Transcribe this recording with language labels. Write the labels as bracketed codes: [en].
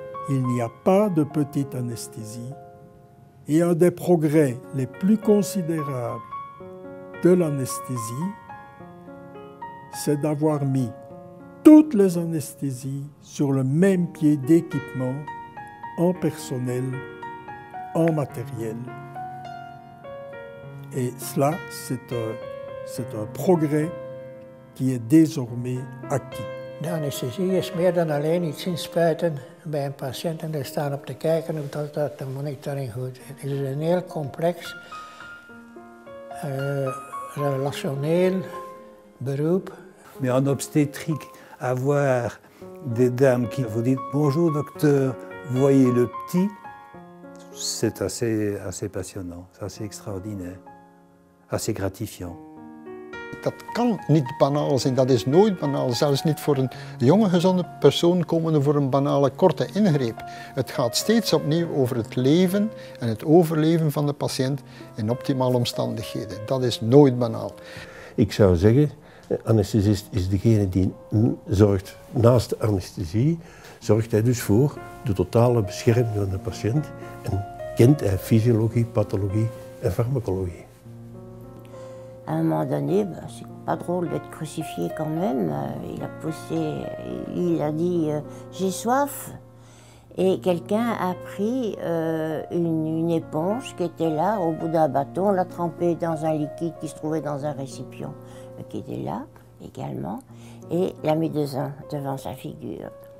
[fr] Il n'y a pas de petite anesthésie. Et un des progrès les plus considérables de l'anesthésie, c'est d'avoir mis toutes les anesthésies sur le même pied d'équipement, en personnel, en matériel. Et cela, c'est un progrès qui est désormais acquis. L'anesthésie est plus que [nl] alleen iets inspuiten bij een patiënt en er staan op te kijken of dat de monitoring goed is. Het is een heel complex, relationeel beroep. [fr] Mais en obstétrique, avoir des dames qui vous disent bonjour docteur, voyez le petit, c'est assez passionnant, c'est assez extraordinaire, assez gratifiant. [nl] Dat kan niet banaal zijn, dat is nooit banaal, zelfs niet voor een jonge gezonde persoon komen voor een banale korte ingreep. Het gaat steeds opnieuw over het leven en het overleven van de patiënt in optimale omstandigheden. Dat is nooit banaal. Ik zou zeggen, anesthesist is degene die zorgt naast de anesthesie, zorgt hij dus voor de totale bescherming van de patiënt en kent hij fysiologie, pathologie en farmacologie. [fr] À un moment donné, ben, c'est pas drôle d'être crucifié quand même. Il a poussé, il a dit j'ai soif. Et quelqu'un a pris une éponge qui était là au bout d'un bâton, l'a trempé dans un liquide qui se trouvait dans un récipient qui était là également, et l'a mis dedans devant sa figure.